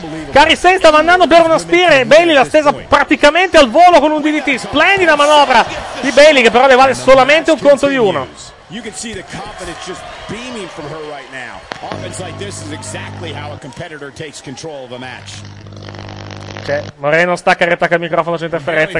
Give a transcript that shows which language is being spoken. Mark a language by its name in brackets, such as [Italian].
[Italian] Kairi Sane stava andando per una spear e Bailey l'ha stesa praticamente al volo con un DDT. Splendida manovra di Bailey, che però le vale solamente un conto di uno. [English] You can see the confidence just beaming from her right now. Offense like this is exactly how a competitor takes control of a match. Okay. [Italian] Moreno stacca e riattacca il microfono senza interferenza.